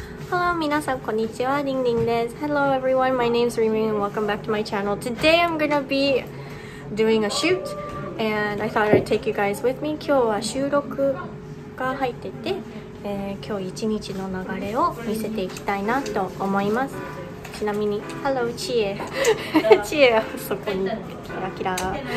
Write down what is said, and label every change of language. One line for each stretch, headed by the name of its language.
Japanese: こんにちは、リンリンです。
English: Hello everyone, my name is Rimin and welcome back to my channel. Today I'm gonna be doing a shoot and I thought I'd take you guys with me.
Japanese: 今日は収録が入ってて、今日一日の流れを見せていきたいなと思います。ちなみに、
English: Hello,
Japanese: チエ。チエはそこにキラキラ。